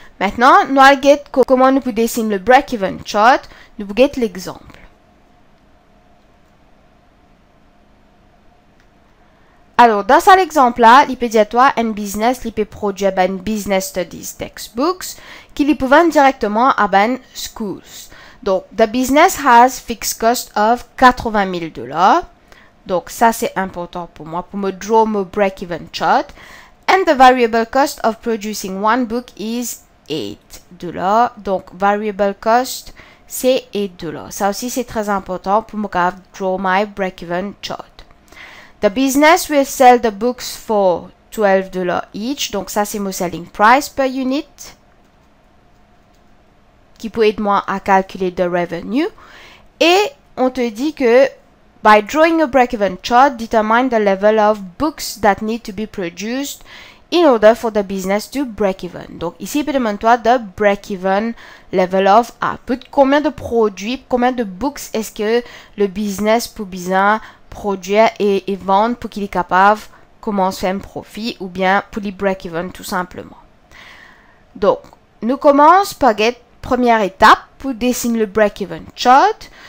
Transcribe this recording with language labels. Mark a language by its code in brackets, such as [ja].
[fr] Maintenant, nous allons voir comment nous pouvons dessiner le break-even chart. Nous pouvons voir l'exemple. Alors, dans cet exemple-là, il peut dire à toi, un business, il peut produire ben, [en] business studies textbooks [fr] qu'il peut vendre directement à ben schools. [en] Donc, the business has fixed cost of 80 000 dollars. [fr] Donc, ça, c'est important pour moi, pour me draw mon break-even chart. [en] And the variable cost of producing one book is 8 dollars. [fr] Donc, variable cost, c'est 8 dollars. Ça aussi, c'est très important pour me [en] draw my break-even chart. The business will sell the books for 12 dollars each. [fr] Donc, ça, c'est mon [en] selling price per unit, [fr] qui peut aider moi à calculer le revenue. Et on te dit que, [en] by drawing a break-even chart, determine the level of books that need to be produced in order for the business to break-even. [fr] Donc ici, il demande-toi de [en] break-even level of output. [fr] Combien de produits, combien de books est-ce que le business peut bien produire et vendre pour qu'il est capable de commencer un profit ou bien pour les break-even tout simplement. Donc, nous commençons par get première étape pour dessiner le break-even chart.